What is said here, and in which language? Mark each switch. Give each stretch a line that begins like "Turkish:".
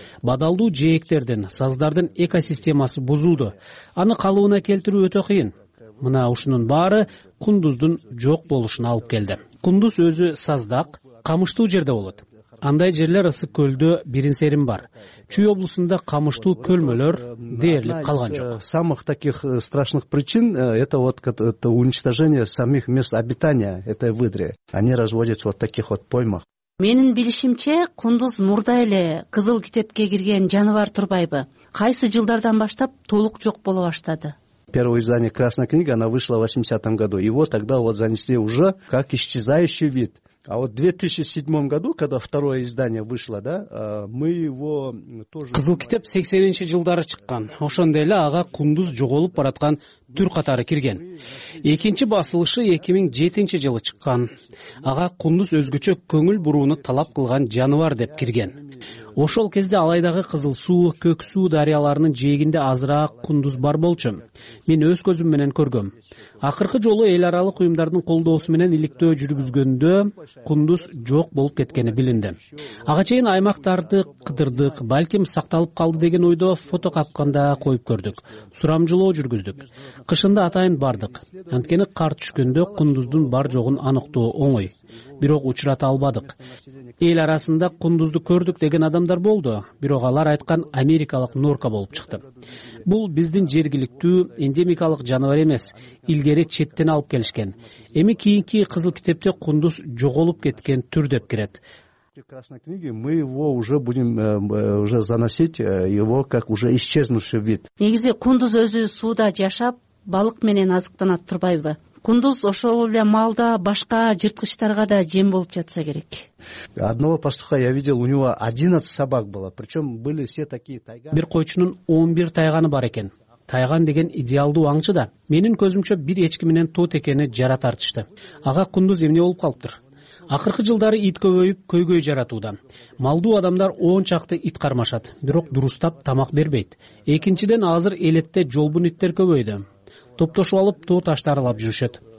Kyrgyz: Бадалдуу жээктердин, саздардын экосистемасы бузулду. Аны калыбына келтирүү өтө кыйын. Мына ушунун баары кундуздун жок болушуна алып келди. Кундуз өзү саздак, камыштуу жерде болот. Андай жерлер ысык көлдө биринсерин бар. Чүй облусунда камыштуу көлмөлөр дээрлик калган жок.
Russian: Самых таких страшных причин это вот это уничтожение самих мест обитания этой выдры. Они разводятся вот таких вот поймах.
Kyrgyz: Менин билишимче, кундуз мурда эле кызыл китепке кирген жаныбар турбайбы? Кайсы жылдардан баштап толук жок боло баштады?
Russian: Первое издание «Красная книга», она вышла в 80-м году. Его тогда вот занесли уже как исчезающий вид. А вот в 2007 году, когда второе издание вышло, да, мы его тоже...
Kyrgyz: Кызыл китеп 80-ші жылдары чыккан. Ошондой эле ага кундуз жоголуп бараткан түр катары кирген. Экинчи басылышы 2007 жылы чыккан. Ага кундуз өзгөчө көңүл бурууну талап кылган жаныбар деп кирген. Ошол кезде Алайдагы кызыл суу, көк суу дарыяларынын жээгинде азыраак кундуз бар болчу. Мен өз көзүм менен көргөм. Акыркы жолу эл аралык уюмдардын колдоосу менен иликтөө жүргүзгөндө кундуз жок болуп кеткени билинди. Ага чейин аймактарды кыдырдык, балким сакталып калды деген ойдо фото капканда коюп көрдүк. Сурамжылоо жүргүздүк. Кышында атайын бардык. Анткени кар түшкөндө кундуздун бар жогун аныктоо оңой. Бирок учурата албадык. Эл арасында кундузду көрдүк деген адамдар болду, бирок алар айткан америкалык норка болуп чыкты. Бул биздин жергиликтүү эндемикалык жаныбар эмес, илгери четтен алып келишкен. Эми кийинки кызыл китепте кундуз жоголуп кеткен түр деп кирет.
Russian: Красной книге мы его уже будем уже заносить его как уже исчезнувший вид.
Kyrgyz: Негизи кундуз өзү сууда жашап, балык менен азыктанат турбайбы? Кундуз ошол эле малда башка жырткычтарга да жем болуп жатса керек.
Russian: Одного пастуха я видел, у него 11 собак было, причем были все такие тайганы.
Kyrgyz: Бир койчунун 11 тайганы бар экен. Тайган деген идеалдуу аңчы да. Менин көзүмчө бир эчки менен тут экени жара тартышты. Ага кундуз эмне болуп калыптыр? Акыркы жылдары ит көбөйүп көйгөй жаратууда. Малдуу адамдар 10 чакты ит кармашат, бирок дурустап тамак бербейт. Экинчиден азыр элетте жолбун иттер көбөйдү. Топтошуп алып, тоо таштарылап жүрүшөт.